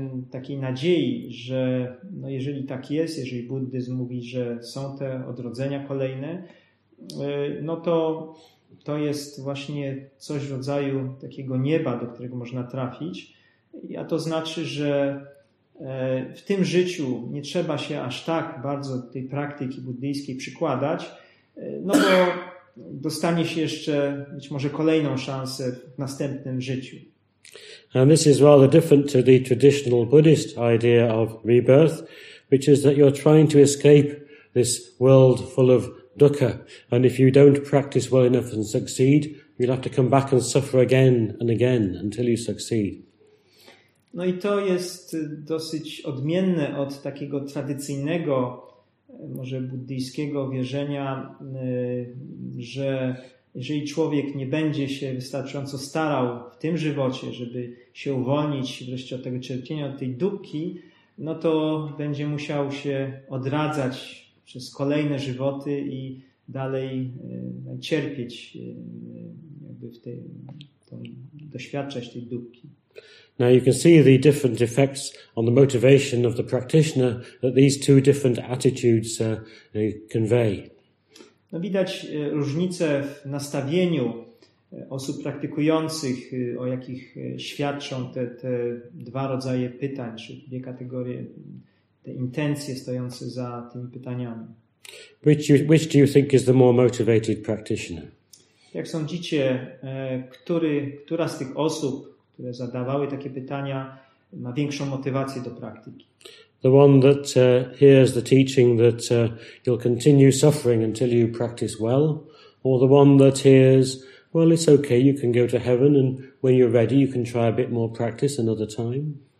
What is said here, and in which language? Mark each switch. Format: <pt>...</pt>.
<pl>takiej nadziei, że no jeżeli tak jest, jeżeli buddyzm mówi, że są te odrodzenia kolejne, no to jest właśnie coś w rodzaju takiego nieba, do którego można trafić. A to znaczy, że w tym życiu nie trzeba się aż tak bardzo tej praktyki buddyjskiej przykładać, no bo dostanie się jeszcze być może kolejną szansę w następnym życiu.</pl> <en>And this is rather different to the traditional Buddhist idea of rebirth, which is that you're trying to escape this world full of dukkha. And if you don't practice well enough and succeed, you'll have to come back and suffer again and again until you succeed.</en> <pl>No i to jest dosyć odmienne od takiego tradycyjnego, może buddyjskiego wierzenia, że jeżeli człowiek nie będzie się wystarczająco starał w tym żywocie, żeby się uwolnić wreszcie od tego cierpienia, od tej dukki, no to będzie musiał się odradzać przez kolejne żywoty i dalej cierpieć, jakby w tej, doświadczać tej dukki.</pl> <en>Now you can see the different effects on the motivation of the practitioner that these two different attitudes convey.</en> <pl>No widać różnice w nastawieniu osób praktykujących, o jakich świadczą te dwa rodzaje pytań, czy dwie kategorie, te intencje stojące za tymi pytaniami.</pl> <en>Which do you think is the more motivated practitioner?</en> <pl>Jak sądzicie, która z tych osób, które zadawały takie pytania, ma większą motywację do praktyki?</pl> <en>The one that hears the teaching that you'll continue suffering until you practice well, or the one that hears, well, it's okay, you can go to heaven and when you're ready you can try a bit more practice another time?</en>